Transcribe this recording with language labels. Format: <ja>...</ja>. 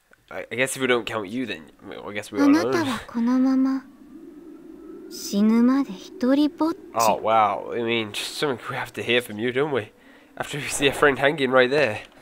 <en>I guess if we don't count you, then I guess we're alone.</en> <ja>あなたはこのまま死ぬまで一人ぼっち。</ja> <en>Oh wow. I mean, just something we have to hear from you, don't we? After we see a friend hanging right there.</en>